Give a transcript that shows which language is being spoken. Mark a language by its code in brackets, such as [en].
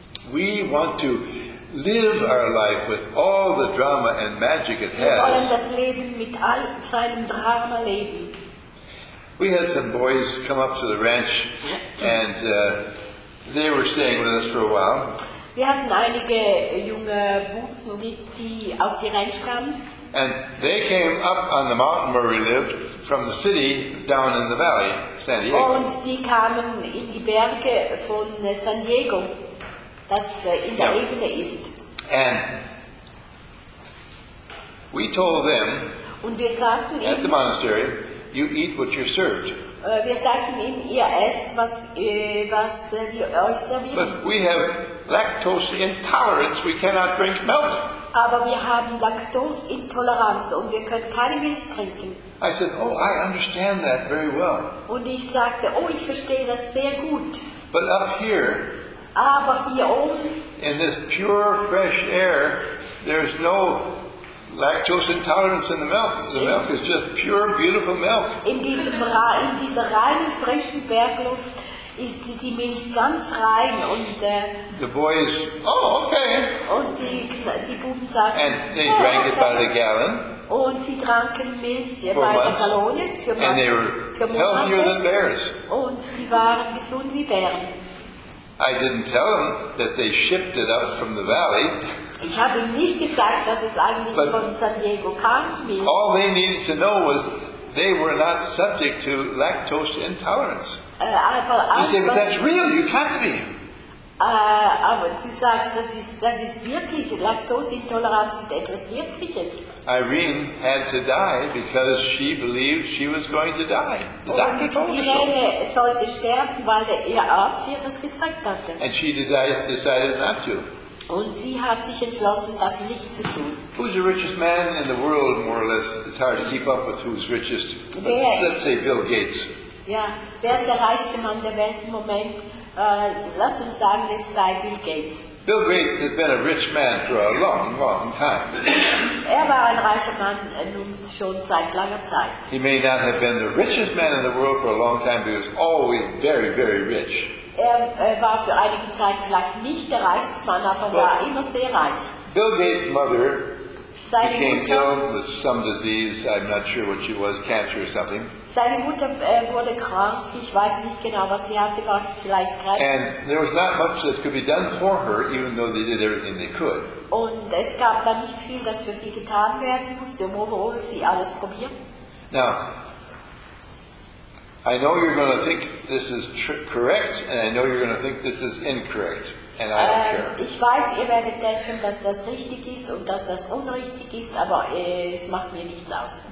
[en] We want to live our life with all the drama and magic it has. [de] Wir wollen das Leben mit all seinem Drama leben. [en] We had some boys come up to the ranch and they were staying with us for a while. [de] Wir hatten einige junge Buben, die auf die Ranch kamen. [en] And they came up on the mountain where we lived from the city down in the valley, San Diego. [de] Und die kamen in die Berge von San Diego, das in der Ebene ist. [en] And we told them [de] und wir sagten [en] at the monastery, you eat what you're served. [de] Wir sagten ihnen, ihr esst, was wir euch servieren. [en] But we have lactose intolerance, we cannot drink milk. [de] Aber wir haben Laktoseintoleranz und wir können keine Milch trinken. [en] I said, oh, I understand that very well. [de] Und ich sagte, oh, ich verstehe das sehr gut. [en] But up here, [de] aber hier oben, [en] in this pure, fresh air, there's no lactose intolerance in the milk. The milk is just pure, beautiful milk. [de] In dieser reinen, frischen Bergluft ist die Milch ganz rein und [en] the boys, oh, okay. [de] Und die Buben sagten, [en] and they drank it by the gallon. [de] Und sie tranken Milch bei der Gallone für Monate. [en] And they were healthier than bears. [de] Und sie waren gesund wie Bären. [en] I didn't tell them that they shipped it up from the valley. [de] Ich habe ihm nicht gesagt, dass es eigentlich but von San Diego kam. [en] All they needed to know was they were not subject to lactose intolerance. You say, but that's real, you can't be. [de] Aber du sagst, das ist wirklich, Laktoseintoleranz ist etwas Wirkliches. [en] Irene had to die because she believed she was going to die. The doctor told her. [de] Irene sollte sterben, weil ihr Arzt ihr das gesagt hatte. [en] And she decided not to. [de] Und sie hat sich entschlossen, das nicht zu tun. [en] Who's the richest man in the world, more or less? It's hard to keep up with who's richest. Let's say Bill Gates. [de] Ja, wer ist der reichste Mann der Welt im Moment? Lass uns sagen, es sei Bill Gates. [en] Bill Gates has been a rich man for a long, long time. [de] Er war ein reicher Mann nun schon seit langer Zeit. [en] He may not have been the richest man in the world for a long time, but he was always very, very rich. [de] Er war für einige Zeit vielleicht nicht der reichste Mann, aber war immer sehr reich. [en] Bill Gates' mother became ill with some disease. I'm not sure what she was, cancer or something. [de] Seine Mutter wurde krank. Ich weiß nicht genau, was sie hatte. War vielleicht Krebs. [en] And there was not much that could be done for her, even though they did everything they could. [de] Und es gab da nicht viel, das für sie getan werden musste, obwohl sie alles probieren. [en] Now, I know you're going to think this is correct, and I know you're going to think this is incorrect. And I don't care. [de] Ich weiß, ihr werdet denken, dass das richtig ist und dass das unrichtig ist, aber es macht mir nichts aus.